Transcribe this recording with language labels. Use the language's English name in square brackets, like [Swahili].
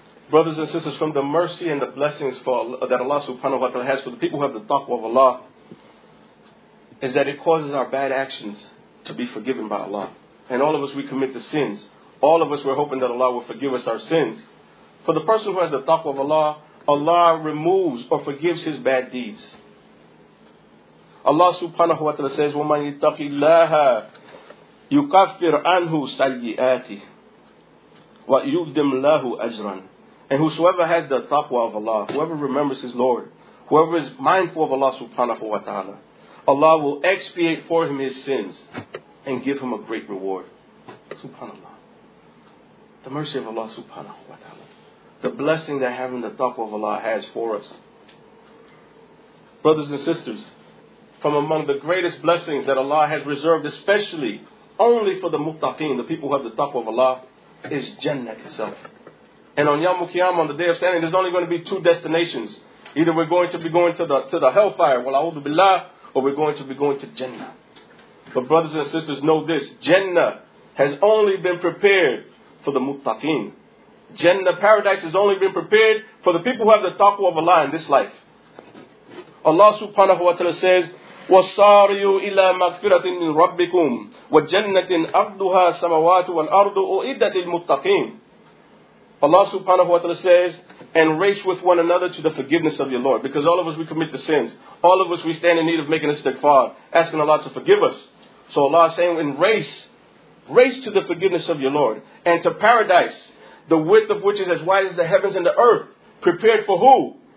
[English] Brothers and sisters, from the mercy and the blessings that Allah subhanahu wa ta'ala has for the people who have the taqwa of Allah, is that it causes our bad actions to be forgiven by Allah. And all of us, we commit the sins. All of us, we're hoping that Allah will forgive us our sins. For the person who has the taqwa of Allah, Allah removes or forgives his bad deeds. [Arabic] Allah subhanahu wa ta'ala says, وَمَنْ يَتَّقِ اللَّهَ يُكَفِّرْ عَنْهُ سَيِّئَاتِهِ وَيُقْدِمْ لَهُ أَجْرًا. [English] And whosoever has the taqwa of Allah, whoever remembers his Lord, whoever is mindful of Allah subhanahu wa ta'ala, Allah will expiate for him his sins and give him a great reward. SubhanAllah. The mercy of Allah subhanahu wa ta'ala. The blessing that having the taqwa of Allah has for us. Brothers and sisters, from among the greatest blessings that Allah has reserved, especially only for the muttaqeen, the people who have the taqwa of Allah, is Jannah itself. And on Yawm al-Qiyamah, on the Day of Standing, there's only going to be two destinations. Either we're going to be going to the hellfire, wala'udhu billah, or we're going to be going to Jannah. But brothers and sisters, know this, Jannah has only been prepared for the muttaqeen. Jannah, paradise, has only been prepared for the people who have the taqwa of Allah in this life. [Arabic] Allah subhanahu wa ta'ala says, وَصَارِيُوا إِلَى مَغْفِرَةٍ مِّن رَبِّكُمْ وَجَنَّةٍ أَرْضُهَا سَمَوَاتُ وَالْأَرْضُ أُعِدَّتْ لِلْمُتَّقِينَ. [English] Allah subhanahu wa ta'ala says, and race with one another to the forgiveness of your Lord. Because all of us, we commit the sins. All of us, we stand in need of making a istighfar, asking Allah to forgive us. So Allah is saying, and race to the forgiveness of your Lord, and to paradise, the width of which is as wide as the heavens and the earth, prepared for who?